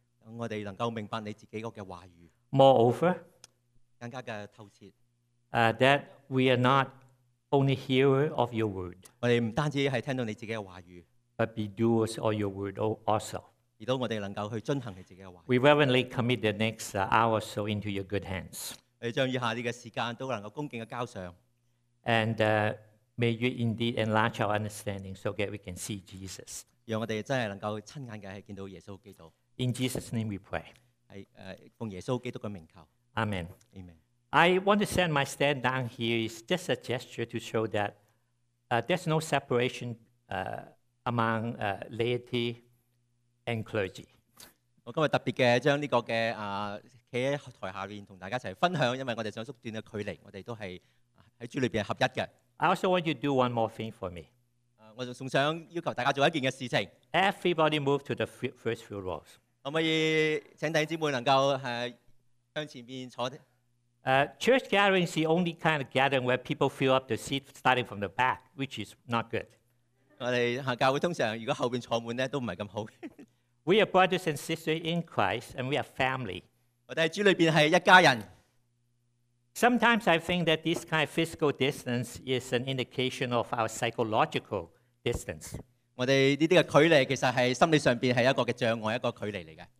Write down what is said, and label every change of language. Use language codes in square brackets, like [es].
[zh] 讓我們能夠明白你自己的話語。 [en] Moreover, [zh] 更加的透徹。 [en] That we are not only hearers of your word. [zh] 我們不單止是聽到你自己的話語。 [en] But be doers of your word also. [zh] 而到我們能夠去遵行你自己的話語。 [en] We reverently commit the next hour or so into your good hands. [zh] 我們將以下的時間都能夠恭敬地交上。 [en] And may you indeed enlarge our understanding so that we can see Jesus. [zh] 讓我們真的能夠親眼地見到耶穌基督。 [en] In Jesus' name we pray. [zh] 是奉耶穌基督的名求。 [en] Amen. Amen. I want to send my stand down here is just a gesture to show that there's no separation among laity and clergy. [zh] 我今天特別將這個站在台下面跟大家一起分享，因為我們想縮短的距離，我們都是在主裡面合一的。 [en] I also want you to do one more thing for me. [zh] 我還想要求大家做一件事情。 [en] Everybody move to the first few rows. [zh] 可不可以請弟兄姊妹能夠向前面坐？ [en] Church gathering is the only kind of gathering where people fill up the seat starting from the back, which is not good. [zh] 我們教會通常如果後面坐滿呢，都不是那麼好。 [en] We are brothers and sisters in Christ, and we are family. [zh] 我們在主裡面是一家人。 [en] Sometimes I think that this kind of physical distance is an indication of our psychological distance. [zh] 我們這些距離其實是心理上是一個障礙，一個距離來的。